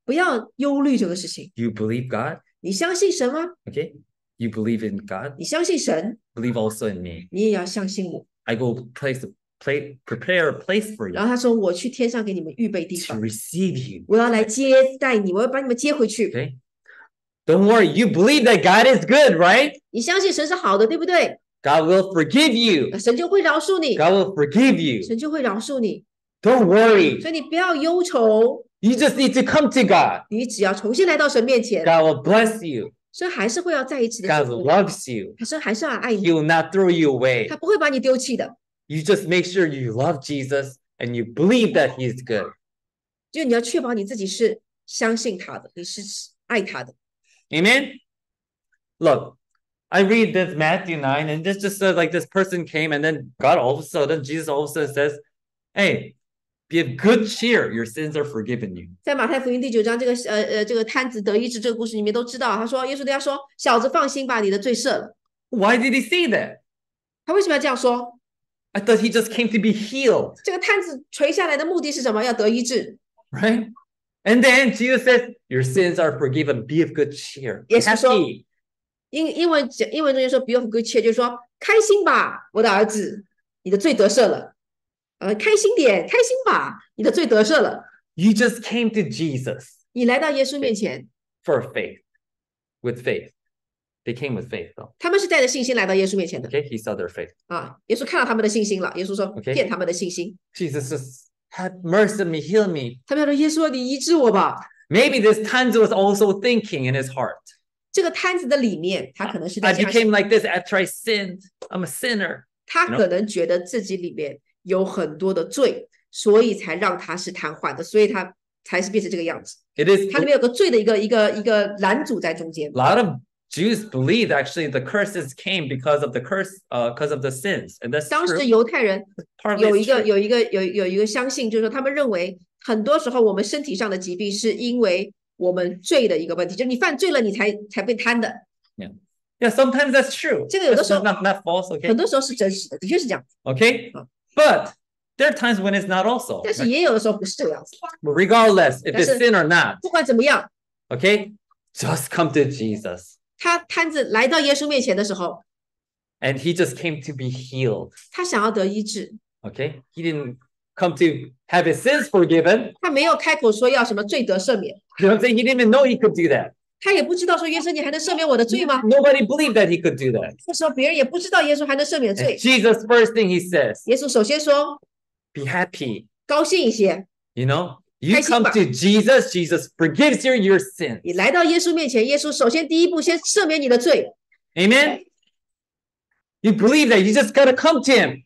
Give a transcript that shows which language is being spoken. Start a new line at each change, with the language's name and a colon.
Chinese: 不要忧虑这个事情。
English: You believe God，
Chinese: 你相信神吗
English: ？Okay， you believe in God，
Chinese: 你相信神。
English: Believe also in me，
Chinese: 你也要相信我。
English: I go prepare a place for you。
Chinese: 然后他说：我去天上给你们预备地方。
English: To receive you，
Chinese: 我要来接待你，我要把你们接回去。
English: Okay， don't worry， you believe that God is good， right？
Chinese: 你相信神是好的，对不对
English: ？God will forgive you，
Chinese: 神就会饶恕你。
English: God will forgive you，
Chinese: 神就会饶恕你。”
English: Don't worry.
Chinese: 所以你不要忧愁。
English: You just need to come to God.
Chinese: 你只要重新来到神面前。
English: God will bless you.
Chinese: 神还是会要再一次的。
English: God loves you.
Chinese: 神还是要爱你。
English: He will not throw you away.
Chinese: 他不会把你丢弃的。
English: You just make sure you love Jesus and you believe that He is good.
Chinese: 就你要确保你自己是相信他的，你是爱他的。
English: Amen. Look, I read this Matthew 9, and this just says like this person came, and then God also, then Jesus also says, "Hey." Be of good cheer, your sins are forgiven you.
Chinese: 在马太福音第九章这个摊子得医治这个故事里面都知道，他说耶稣对他说，小子放心吧，你的罪赦了。
English: Why did he say that?
Chinese: 他为什么要这样说？
English: I thought he just came to be healed.
Chinese: 这个摊子垂下来的目的是什么？要得医治。
English: Right? And then Jesus says, your sins are forgiven, be of good cheer.
Chinese: 耶稣说，英文中间说
English: be of good cheer,
Chinese: 就是说开心吧，我的儿子，你的罪得赦了。开心点，开心吧，你的罪得赦了。
English: You just came to Jesus.
Chinese: 你来到耶稣面前。
English: For faith, with faith, they came with faith, though.
Chinese: 他们是带着信心来到耶稣面前的。
English: Okay, he saw their faith.
Chinese: 啊，耶稣看到他们的信心了。耶稣说，骗他们的信心。
English: Jesus says, "Have mercy on me, heal me."
Chinese: 他们要说，耶稣，你医治我吧。
English: Maybe this 摊子 was also thinking in his heart.
Chinese: 这个摊子的里面，他可能是在想。
English: I became like this after I sinned. I'm a sinner.
Chinese: 他可能觉得自己里面。有很多的罪，所以才让他是瘫痪的，所以他才是变成这个样子。
English: It is,
Chinese: 他里面有个罪的一个拦阻在中间。
English: A lot of Jews believe actually the curses came because of the curse, because of the sins, and that's
Chinese: 当时犹太人有一个相信，就是说他们认为很多时候我们身体上的疾病是因为我们罪的一个问题，就是你犯罪了，你才被瘫的。
English: Yeah, sometimes that's true.
Chinese: 这个有的时候
English: not false, okay?
Chinese: 很多时候是真实的，的确是这样。
English: Okay. But there are times when it's not also.
Chinese: 但是也有的时候不是这个样子。
English: Regardless, if it's sin or not.
Chinese: 不管怎么样。
English: Okay, just come to Jesus.
Chinese: 他摊子来到耶稣面前的时候。
English: And he just came to be healed.
Chinese: 他想要得医治。
English: Okay, he didn't come to have his sins forgiven.
Chinese: 他没有开口说要什么罪得赦免。
English: You know what I'm saying? He didn't even know he could do that.
Chinese: 他也不知道说耶稣你还能赦免我的罪吗？
English: Nobody believed that he could do that.
Chinese: 那时候别人也不知道耶稣还能赦免罪。
English: And Jesus first thing he says.
Chinese: 耶稣首先说。
English: Be happy.
Chinese: 高兴一些。
English: You know, you come to Jesus, Jesus forgives you your sins.
Chinese: 你来到耶稣面前，耶稣首先第一步先赦免你的罪。
English: Amen. You believe that you just gotta come to him.